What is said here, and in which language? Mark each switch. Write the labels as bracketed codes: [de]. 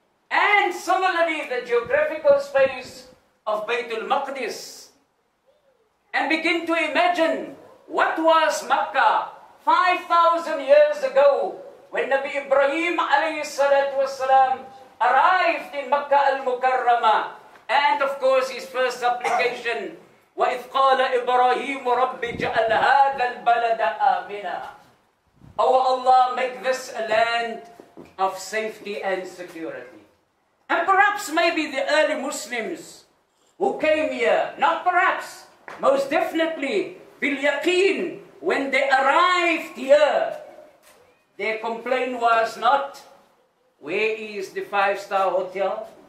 [en] And similarly, the geographical space of Baitul Maqdis. And begin to imagine what was Makkah 5,000 years ago when Nabi Ibrahim alayhi salatu wasalam arrived in Makkah al-Mukarramah. And of course, his first supplication, [ar] وَإِذْ قَالَ إِبْرَاهِيمُ رَبِّ جَعَلْ هَذَا الْبَلَدَ آمِنًا. [en] Oh Allah, make this a land of safety and security. And perhaps maybe the early Muslims who came here, not perhaps, most definitely, بِالْيَقِين, when they arrived here, their complaint was not, where is the five-star hotel?